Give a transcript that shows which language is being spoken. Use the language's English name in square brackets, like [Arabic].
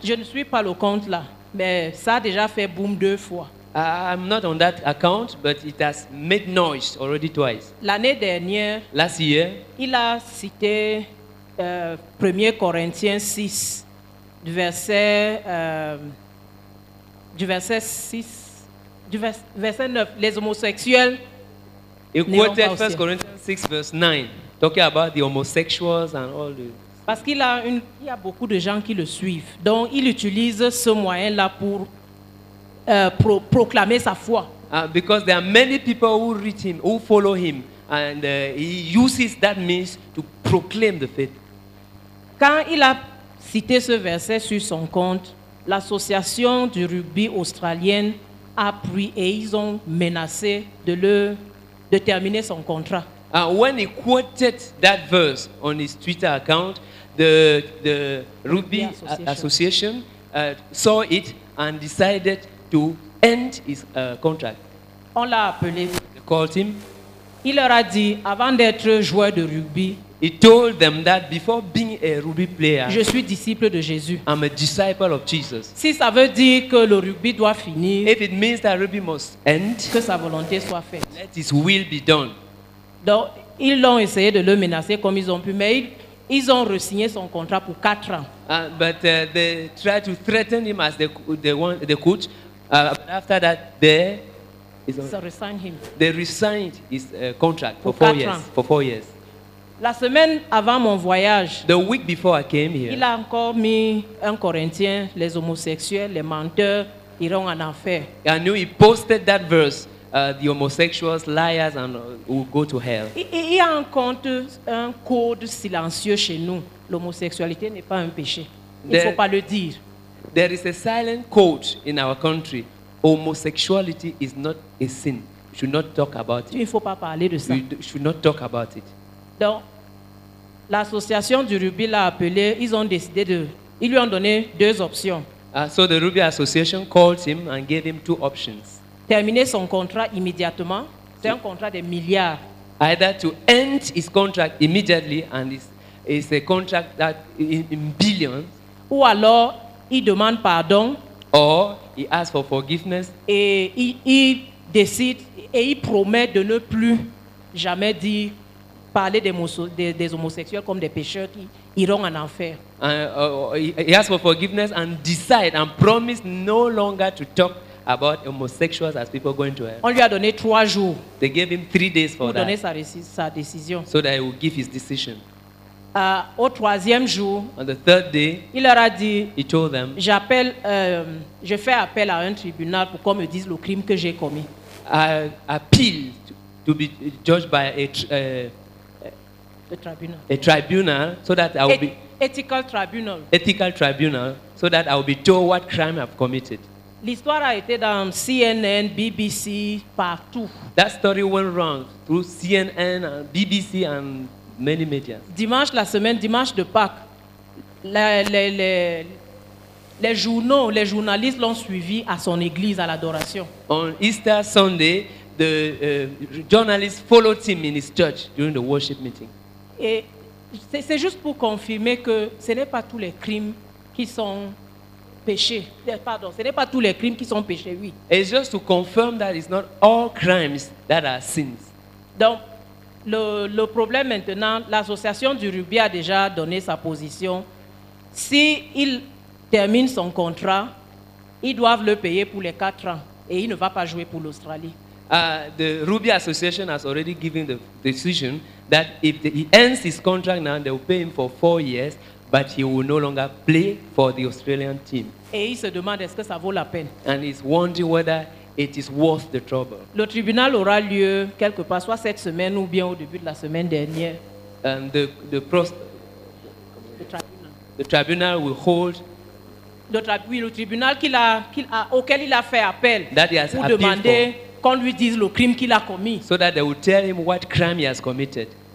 [French] Je ne suis pas le compte là, mais ça a déjà fait boom deux fois. [English] I'm not on that account, but it has made noise already twice. [French] L'année dernière, [English] last year, [French] il a cité 1 Corinthiens 6, verset 9, les homosexuels. [English] He quoted 1 Corinthians 6, verse 9, talking about the homosexuals and all the... [French] Parce qu'il a il y a beaucoup de gens qui le suivent. Donc, il utilise ce moyen-là pour proclamer sa foi. [English] Because there are many people who read him, who follow him, and he uses that means to proclaim the faith. [French] Quand il a cité ce verset sur son compte, l'association du rugby australienne a pris et ils ont menacé de terminer son contrat. [English] When he quoted that verse on his Twitter account, the rugby association saw it and decided to end his contract. [French] On l'a appelé. [English] They called him. [French] Il leur a dit, avant d'être joueur de rugby, [English] he told them that before being a rugby player, [French] je suis disciple de Jésus. [English] I'm a disciple of Jesus. [French] Si ça veut dire que le rugby doit finir, [English] if it means that rugby must end, [French] que sa volonté soit faite. [English] Let his will be done. [French] Donc, ils l'ont essayé de le menacer comme ils ont pu, mais ils ont re-signé son contrat pour 4 ans. [English] But they tried to threaten him as the coach. But after that, they resigned his contract [French] pour [English] four years. [French] La semaine avant mon voyage, [English] the week before I came here, [French] il a encore mis un Corinthien, les homosexuels, les menteurs iront en enfer. [English] I knew he posted that verse, the homosexuals, liars, and will go to hell. [French] Il y a encore un code silencieux chez nous. L'homosexualité n'est pas un péché. Il ne faut pas le dire. [English] There is a silent code in our country. Homosexuality is not a sin. You should not talk about it. [French] Il ne faut pas parler de ça. [English] You should not talk about it. [French] Donc, l'association du rugby l'a appelé. Ils ont décidé de... Ils lui ont donné 2 options. [English] So the rugby association called him and gave him 2 options. [French] Terminer son contrat immédiatement. C'est un contrat de milliards. [English] Either to end his contract immediately, and it's a contract that in billions. [French] Ou alors, il demande pardon. [English] Or, he asks for forgiveness. [French] Et il décide et il promet de ne plus jamais dire... parler des homosexuels comme des pécheurs qui iront en enfer. [English] He asked for forgiveness and decide and promise no longer to talk about homosexuals as people going to hell. [French] On lui a donné 3 jours. [English] They gave him 3 days for [French] that. Donner sa décision. [English] So that he will give his decision. [French] Au troisième jour, [English] on the third day, [French] il leur a dit, [English] he told them, [French] j'appelle, je fais appel à un tribunal pour qu'on me dise le crime que j'ai commis. [English] I appeal to be judged by a tribunal, so that I will be ethical tribunal, so that I will be told what crime I've committed. [French] L'histoire a été dans CNN, BBC, partout. [English] That story went wrong through CNN, BBC, and many media. [French] Dimanche la semaine, dimanche de Pâques, les journaux, les journalistes l'ont suivi à son église à l'adoration. [English] On Easter Sunday, the journalists followed him in his church during the worship meeting. [French] Et c'est juste pour confirmer que ce n'est pas tous les crimes qui sont péchés. Pardon, ce n'est pas tous les crimes qui sont péchés, oui. [English] It's just to confirm that it's not all crimes that are sins. [French] Donc, le problème maintenant, l'association du rugby a déjà donné sa position. S'il termine son contrat, ils doivent le payer pour les 4 ans et il ne va pas jouer pour l'Australie. [English] The Ruby Association has already given the decision that if he ends his contract now, they will pay him for 4 years, but he will no longer play for the Australian team. [French] Et il se demande, est-ce que ça vaut la peine? [English] And he's wondering whether it is worth the trouble. [French] Le tribunal aura lieu quelque part, soit cette semaine ou bien au début de la semaine dernière. [English] And the tribunal will hold. [French] Le tribunal auquel il a fait appel [English] that he has [French] pour demander qu'on lui dise le crime qu'il a commis. [English] So that they will tell him what crime he has committed.